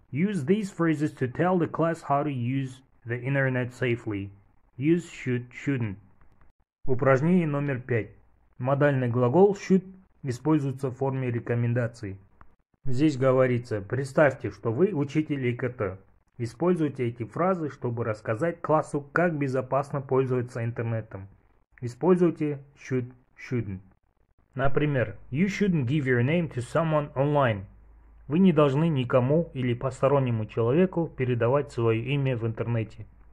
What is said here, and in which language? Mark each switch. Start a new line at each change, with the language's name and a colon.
English: Use these phrases to tell the class how to use the internet safely. Use shouldn't.
Russian: Упражнение номер 5. Модальный глагол should используется в форме рекомендации. Здесь говорится, представьте, что вы учитель ИКТ. Используйте эти фразы, чтобы рассказать классу, как безопасно пользоваться интернетом. Используйте shouldn't. Например,
English: you shouldn't give your name to someone online.
Russian: Вы не должны никому или постороннему человеку передавать свое имя в интернете.